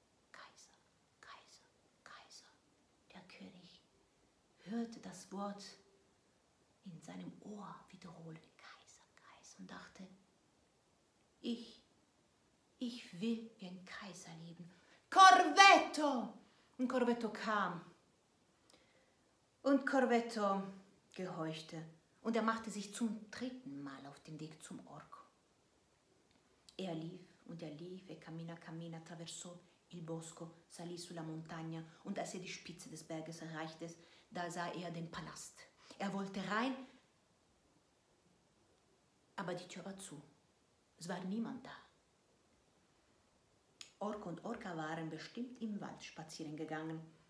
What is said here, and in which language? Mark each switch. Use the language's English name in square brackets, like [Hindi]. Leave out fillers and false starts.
[German] Kaiser. Der König hörte das Wort in seinem Ohr wiederholen, Kaiser, und dachte: Ich will wie ein Kaiser leben. Corvetto! Und Corvetto kam. Und Corvetto gehorchte. Und er machte sich zum dritten Mal auf den Weg zum Ork. Er lief und er lief. [Italian] E cammina, cammina, attraverso il bosco, salì sulla montagna. [German] Und als er die Spitze des Berges erreichte, da sah er den Palast. Er wollte rein, aber die Tür war zu. Es war niemand da. Ork und Orca waren bestimmt im Wald spazieren gegangen.